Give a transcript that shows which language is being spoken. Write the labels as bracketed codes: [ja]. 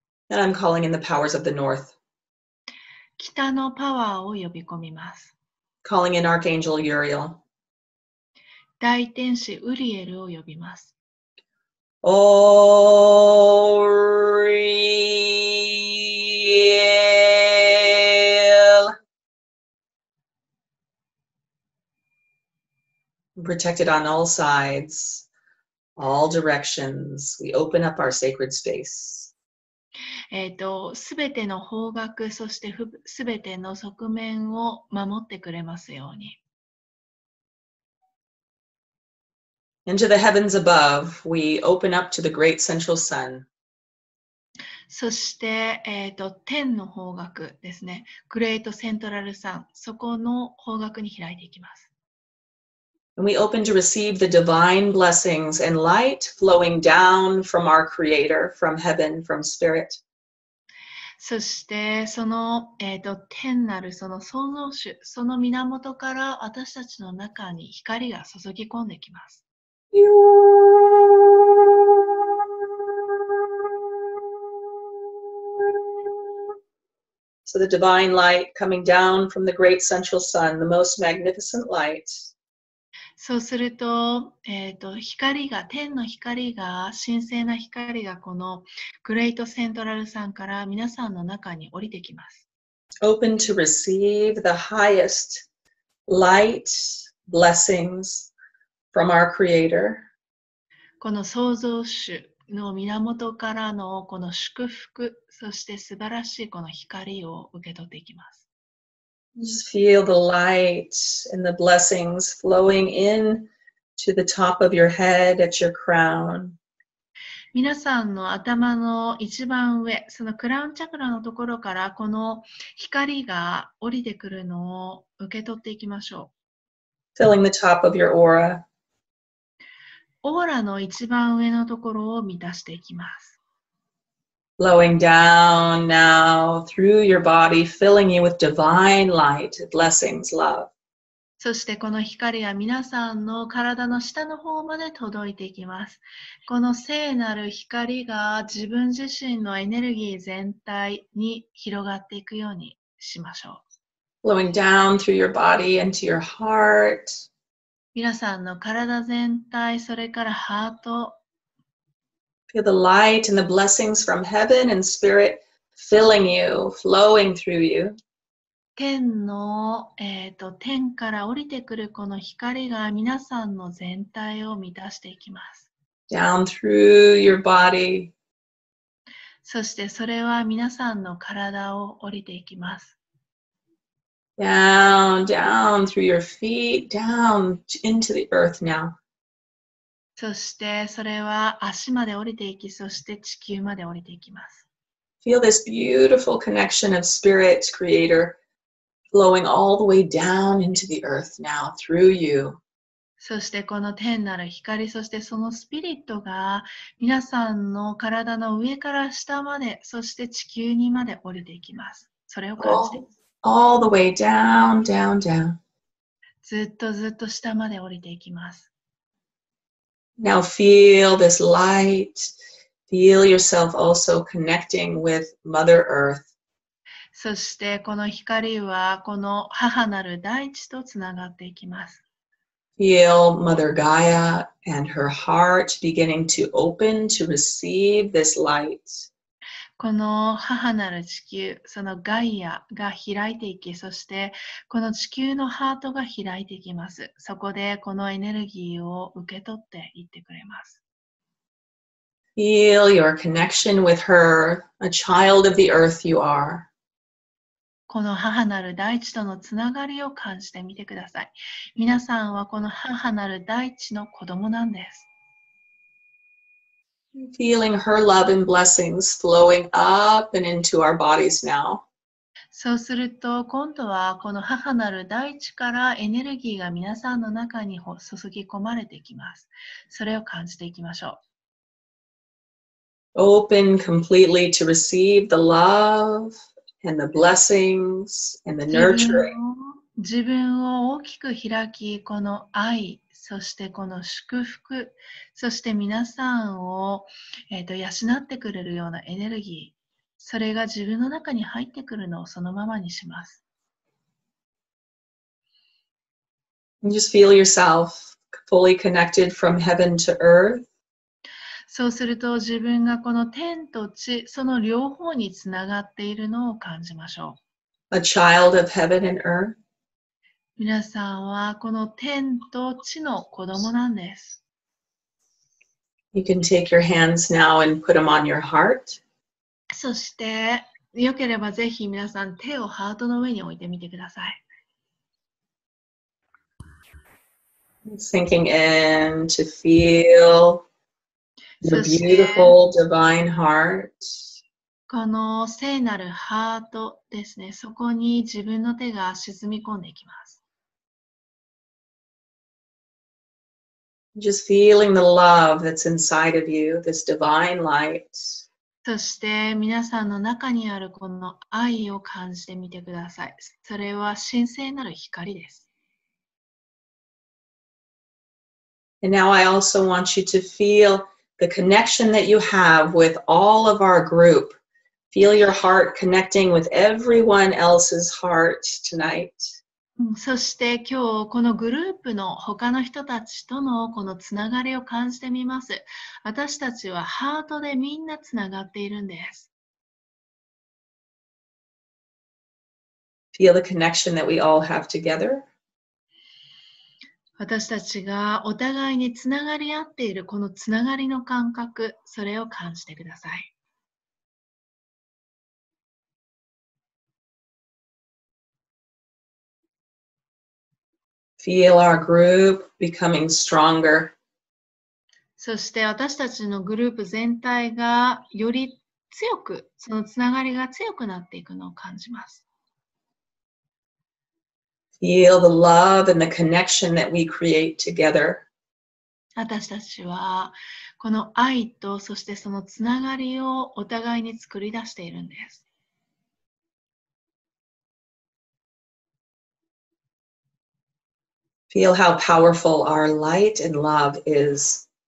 [en] And I'm calling in the powers of the North. [ja] 北のパワーを呼び込みます。 [en] Calling in Archangel Uriel. [ja] 大天使ウリエルを呼びます。 [en] Oriel. Protected on all sides, all directions, we open up our sacred space. [ja] すべての方角、そしてすべての側面を守ってくれますように。 [en] Into the heavens above, we open up to the great central sun. [ja] そして、天の方角ですね。グレートセントラルサン、そこの方角に開いていきます。 [en] And we open to receive the divine blessings and light flowing down from our Creator, from heaven, from spirit. [ja] そして、その、天なるその創造主、その源から私たちの中に光が注ぎ込んできます。 [en] So the divine light coming down from the great central sun, the most magnificent light. [ja] そうすると、光が、天の光が、神聖な光がこのグレートセントラルさんから皆さんの中に降りてきます。 [en] Open to receive the highest light blessings from our Creator. [ja] この創造主の源からのこの祝福、そして素晴らしいこの光を受け取っていきます。 [en] Just feel the light and the blessings flowing in to the top of your head at your crown. [ja] 皆さんの頭の一番上、そのクラウンチャクラのところからこの光が降りてくるのを受け取っていきましょう。 [en] Filling the top of your aura. [ja] オーラの一番上のところを満たしていきます。 [en] Flowing down now through your body, filling you with divine light, blessings, love. [ja] そしてこの光は皆さんの体の下の方まで届いていきます。この聖なる光が自分自身のエネルギー全体に広がっていくようにしましょう。 [en] Flowing down through your body into your heart. [ja] 皆さんの体全体、それからハート。 [en] Feel the light and the blessings from heaven and spirit filling you, flowing through you. [ja] 天の、天から降りてくるこの光が皆さんの全体を満たしていきます。 [en] Down through your body. [ja] そしてそれは皆さんの体を降りていきます。 [en] Down, down through your feet, down into the earth now. [ja] そしてそれは足まで降りていき、そして地球まで降りていきます。 [en] Feel this beautiful connection of spirit, creator, flowing all the way down into the earth now through you. [ja] そしてこの天なる光、そしてそのスピリットが皆さんの体の上から下まで、そして地球にまで降りていきます。それを感じて。 [en] All the way down, down, down. [ja] ずっとずっと下まで降りていきます。 [en] Now feel this light. Feel yourself also connecting with Mother Earth. [ja] そしてこの光はこの母なる大地とつながっていきます。 [en] Feel Mother Gaia and her heart beginning to open to receive this light. [ja] この母なる地球、そのガイアが開いていき、そしてこの地球のハートが開いていきます。そこでこのエネルギーを受け取っていってくれます。 [en] Feel your connection with her, a child of the earth you are. [ja] この母なる大地とのつながりを感じてみてください。皆さんはこの母なる大地の子供なんです。 [en] Feeling her love and blessings flowing up and into our bodies now. [ja] そうすると、今度はこの母なる大地からエネルギーが皆さんの中に注ぎ込まれていきます。それを感じていきましょう。 [en] Open completely to receive the love. And the blessings and the nurturing. [ja] 自分を大きく開き、この愛、そしてこの祝福、そして皆さんを、養ってくれるようなエネルギー、それが自分の中に入ってくるのをそのままにします。 [en] And just feel yourself fully connected from heaven to earth. [ja] そうすると自分がこの天と地、その両方につながっているのを感じましょう。 [en] A child of heaven and earth. [ja] 皆さんはこの天と地の子供なんです。 [en] You can take your hands now and put them on your heart. [ja] そして、よければぜひ皆さん手をハートの上に置いてみてください。 [en] Sinking in to feel... The beautiful divine heart. [ja] この聖なるハートですね。そこに自分の手が沈み込んでいきます。 [en] Just feeling the love that's inside of you, this divine light. [ja] そして皆さんの中にあるこの愛を感じてみてください。それは神聖なる光です。 [en] And now I also want you to feel. The connection that you have with all of our group. Feel your heart connecting with everyone else's heart tonight. [ja] そして今日このグループの他の人たちとのこのつながりを感じてみます。私たちはハートでみんなつながっているんです。 [en] Feel the connection that we all have together. [ja] 私たちがお互いにつながり合っているこのつながりの感覚、それを感じてください。 [en] Feel our group becoming stronger. [ja] そして私たちのグループ全体がより強く、そのつながりが強くなっていくのを感じます。 [en] Feel the love and the connection that we create together. [ja] 私たちはこの愛とそしてそのつながりをお互いに作り出しているんです。 [en] Feel how powerful our light and love is.